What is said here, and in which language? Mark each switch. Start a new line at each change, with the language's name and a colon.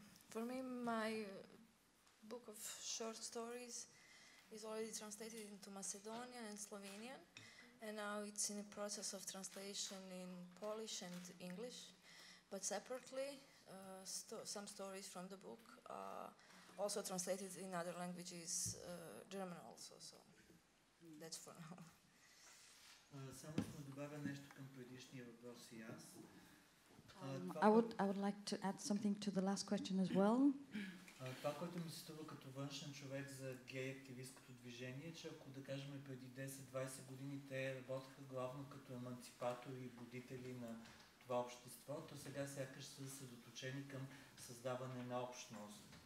English: For me, my book of short stories is already translated into Macedonian and Slovenian, and now it's in a process of translation in Polish and English. But separately, some stories from the book are also translated in other languages, German also. So that's for now.
Bulgarian: Само ще добавя нещо към предишния въпрос и аз.
English: I would like to add something to the last question as well.
Bulgarian: Това, което ми се струва като външен човек за гей активистското движение, че ако да кажем преди 10-20 години те работеха главно като еманципатори и будители на това общество, то сега сякаш са съсредоточени към създаване на общност.